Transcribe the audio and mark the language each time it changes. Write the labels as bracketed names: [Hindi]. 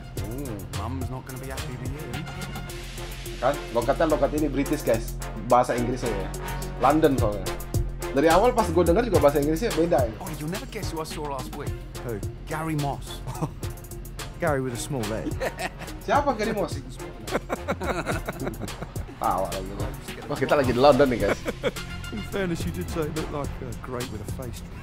[English] Ooh, mum's not gonna be happy with you. [Indonesian] Kan, lokat ini British guys, bahasa Inggrisnya ya. London soalnya. Dari awal pas gue denger juga bahasa Inggrisnya beda. Ya. [English] Oh, you never guess who I saw last week. Who? Gary Moss. Gary with a small leg. [Indonesian] Siapa Gary Moss? Awal lagi. Wah, kita lagi di London nih, guys. [English] In fairness, you did say you look like a great with a face.